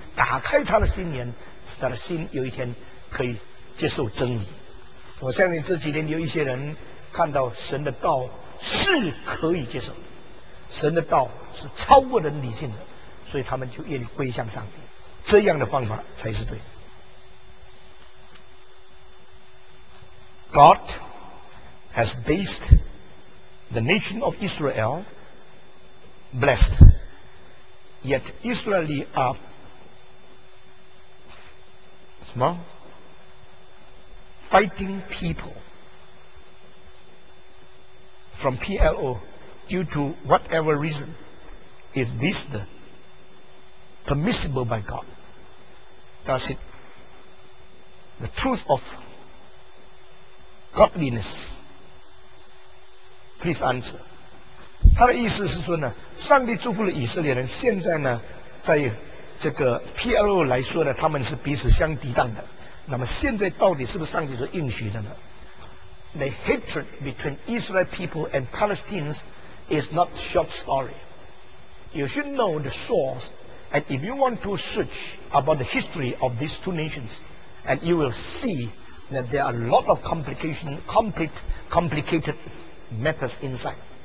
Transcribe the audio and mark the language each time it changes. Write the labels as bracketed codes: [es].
[zh] 打开他的心眼，使他的心有一天可以接受真理。我相信这几年有一些人看到神的道是可以接受，神的道是超过人理性的，所以他们就愿意归向上帝，这样的方法才是对的。 [en] God has based the nation of Israel blessed, yet Israeli are 什么 fighting people from PLO due to whatever reason. Is this the permissible by God? Does it the truth of godliness? Please answer. [zh] 他的意思是说呢，上帝祝福了以色列人，现在呢，在这个 PLO 来说呢，他们是彼此相抵挡的。那么现在到底是不是上帝所应许的呢？ [en] The hatred between Israel people and Palestinians is not a short story. You should know the source, and if you want to search about the history of these two nations, and you will see that there are a lot of complicated matters inside.